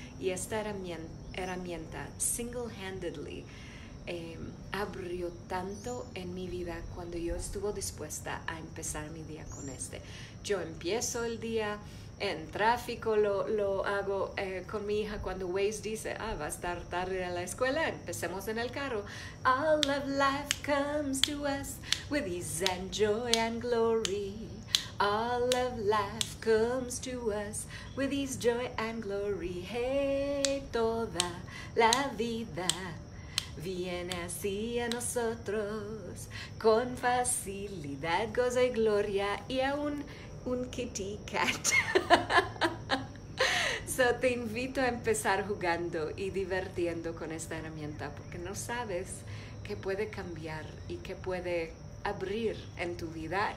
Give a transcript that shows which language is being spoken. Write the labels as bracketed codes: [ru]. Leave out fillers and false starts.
[es] Y esta herramienta, [en] single-handedly, [es] abrió tanto en mi vida cuando yo estuve dispuesta a empezar mi día con este. Yo empiezo el día en tráfico, lo hago con mi hija cuando Waze dice, ah, va a estar tarde a la escuela, empecemos en el carro. [en] All of life comes to us with ease and joy and glory. All of life comes to us with ease, joy and glory. [es] Hey, toda la vida viene así a nosotros con facilidad, gozo y gloria y aún un [en] kitty cat. So [es] te invito a empezar jugando y divirtiendo con esta herramienta porque no sabes qué puede cambiar y qué puede abrir en tu vida.